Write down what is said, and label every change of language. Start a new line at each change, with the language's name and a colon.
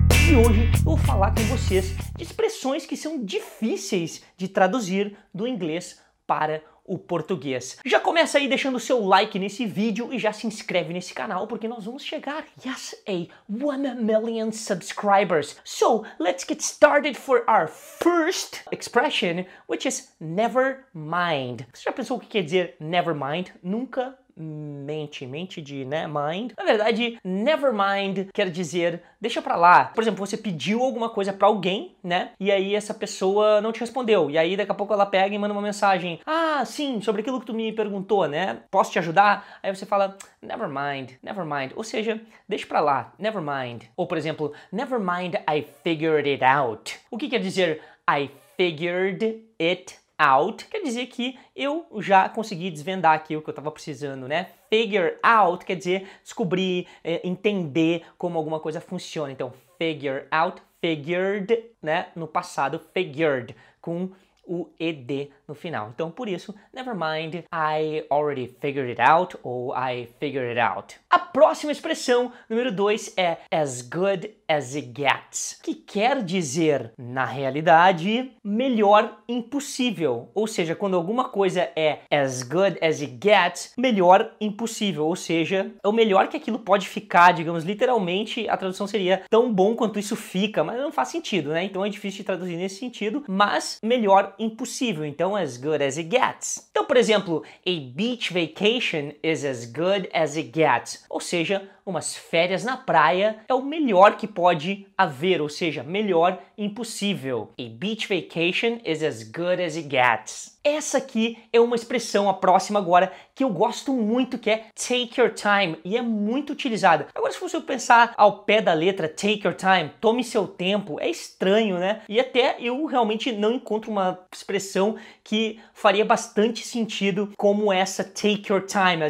Portuguese: E hoje eu vou falar com vocês de expressões que são difíceis de traduzir do inglês para o português. Já começa aí deixando o seu like nesse vídeo e já se inscreve nesse canal, porque nós vamos chegar, yes, a
English: 1 million subscribers. So, let's get started for our first expression, which is never mind.
Portuguese: Você já pensou o que quer dizer never mind? Nunca mente, mente de, né, mind. Na verdade, never mind quer dizer deixa pra lá. Por exemplo, você pediu alguma coisa pra alguém, né, e aí essa pessoa não te respondeu. E aí daqui a pouco ela pega e manda uma mensagem. Ah, sim, sobre aquilo que tu me perguntou, né, posso te ajudar? Aí você fala, never mind, never mind. Ou seja, deixa pra lá, never mind. Ou, por exemplo,
English: never mind, I figured it out.
Portuguese: O que quer dizer I figured it out? Quer dizer que eu já consegui desvendar aqui o que eu tava precisando, né? Figure out quer dizer descobrir, entender como alguma coisa funciona.
English: Então, figure out, figured, né?
Portuguese: No passado, figured, com o ed no final. Então, por isso,
English: never mind, I already figured it out, ou I figured it out.
Portuguese: A próxima expressão, número 2, é as good as it gets, que quer dizer, na realidade, melhor impossível. Ou seja, quando alguma coisa é as good as it gets, melhor impossível. Ou seja, é o melhor que aquilo pode ficar, digamos, literalmente, a tradução seria tão bom quanto isso fica, mas não faz sentido, né? Então é difícil de traduzir nesse sentido, mas melhor impossível. Então,
English: as good as it gets.
Portuguese: Então, por exemplo,
English: a beach vacation is as good as it gets.
Portuguese: Ou seja, umas férias na praia é o melhor que pode haver, ou seja, melhor impossível.
English: A beach vacation is as good as it gets.
Portuguese: Essa aqui é uma expressão, a próxima agora, que eu gosto muito, que é take your time, e é muito utilizada. Agora, se você pensar ao pé da letra, take your time, tome seu tempo, é estranho, né? E até eu realmente não encontro uma expressão que faria bastante sentido como essa, take your time.